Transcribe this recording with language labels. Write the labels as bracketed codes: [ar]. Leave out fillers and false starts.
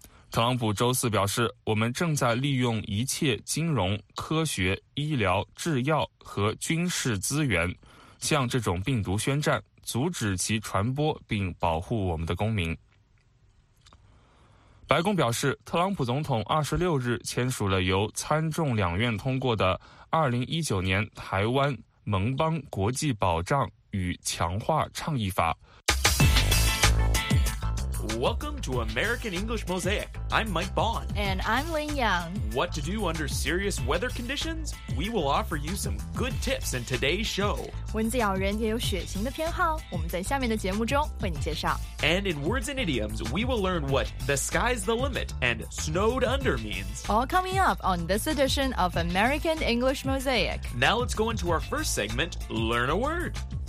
[zh] 特朗普周四表示，我们正在利用一切金融、科学、医疗、制药和军事资源向这种病毒宣战，阻止其传播并保护我们的公民。白宫表示，特朗普总统26日签署了由参众两院通过的2019年台湾盟邦国际保障与强化倡议法。 [en] Welcome to American English Mosaic. I'm Mike Bond. And I'm Lin Yang. What to do under serious weather conditions? We will offer you some good tips in today's show. [zh] 文字咬人也有血型的偏好，我们在下面的节目中为你介绍。 [en] And in words and idioms, we will learn what the sky's the limit and snowed under means. All coming up on this edition of American English Mosaic. Now let's go into our first segment, Learn a Word.